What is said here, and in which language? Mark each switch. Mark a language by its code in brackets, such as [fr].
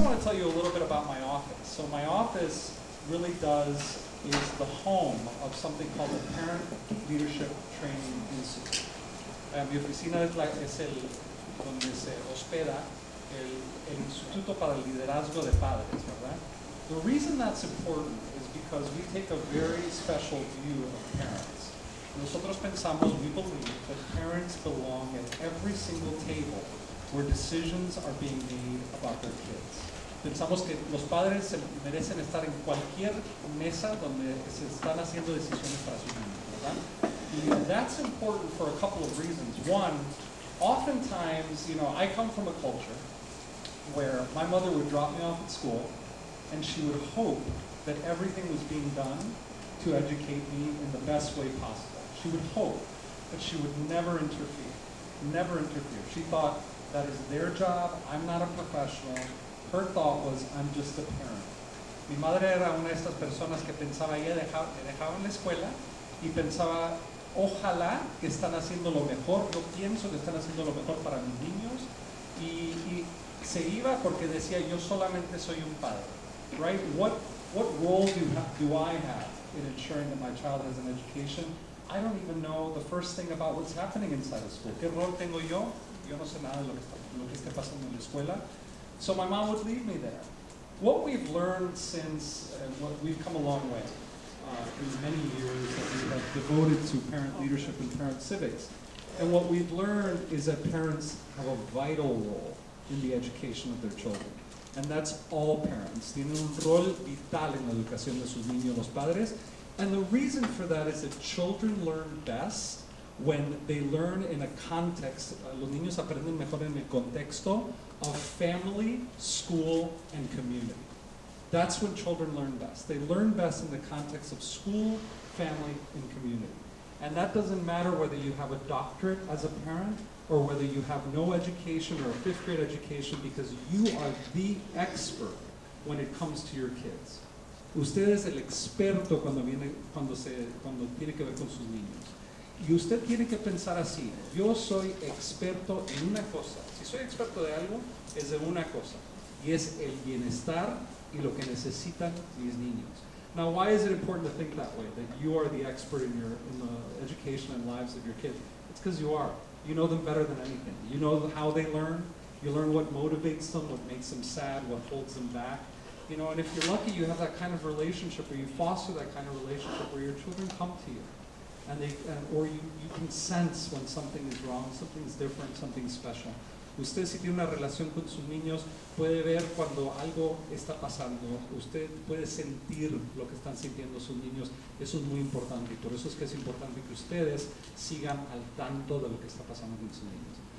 [en] tell you a little bit about my office. So my office really does, is the home of something called the Parent Leadership Training Institute. [es] Mi oficina es, es el donde se hospeda el Instituto para el Liderazgo de Padres, ¿verdad? [en] The reason that's important is because we take a very special view of parents. [es] Nosotros pensamos, [en] we believe, that parents belong at every single table where decisions are being made about their kids. [es] Pensamos que los padres merecen estar en cualquier mesa donde se están haciendo decisiones para sus niños, ¿verdad? [en] And that's important for a couple of reasons. One, oftentimes, you know, I come from a culture where my mother would drop me off at school and she would hope that everything was being done to educate me in the best way possible. She would hope, but she would never interfere, never interfere. She thought, that is their job, I'm not a professional. Her thought was, I'm just a parent. [es] Mi madre era una de estas personas que pensaba, ella dejaba en la escuela y pensaba, ojalá que están haciendo lo mejor, yo pienso que están haciendo lo mejor para mis niños. Y se iba porque decía, yo solamente soy un padre. [en] Right? What role do I have in ensuring that my child has an education? I don't even know the first thing about what's happening inside of school. [es] ¿Qué rol tengo yo? Yo no sé nada de lo que está pasando en la escuela. [en] So my mom would leave me there. What we've learned since, what we've come a long way in the many years that we have devoted to parent leadership and parent civics, and what we've learned is that parents have a vital role in the education of their children. And that's all parents. [es] Tienen un rol vital en la educación de sus niños, los padres. [en] And the reason for that is that children learn best when they learn in a context, [es] los niños aprenden mejor en el contexto [en] of family, school, and community. That's when children learn best. They learn best in the context of school, family, and community. And that doesn't matter whether you have a doctorate as a parent or whether you have no education or a fifth grade education, because you are the expert when it comes to your kids. [es] Usted es el experto cuando tiene que ver con sus niños. Y usted tiene que pensar así, yo soy experto en una cosa. Si soy experto de algo, es de una cosa. Y es el bienestar y lo que necesitan mis niños. [en] Now, why is it important to think that way, that you are the expert in the education and lives of your kids? It's because you are. You know them better than anything. You know how they learn. You learn what motivates them, what makes them sad, what holds them back. You know, and if you're lucky, you have that kind of relationship where you foster that kind of relationship where your children come to you. Or you can sense when something is wrong, something is different, something special. [es] Usted si tiene una relación con sus niños, puede ver cuando algo está pasando. Usted puede sentir lo que están sintiendo sus niños. Eso es muy importante. Por eso es que es importante que ustedes sigan al tanto de lo que está pasando con sus niños.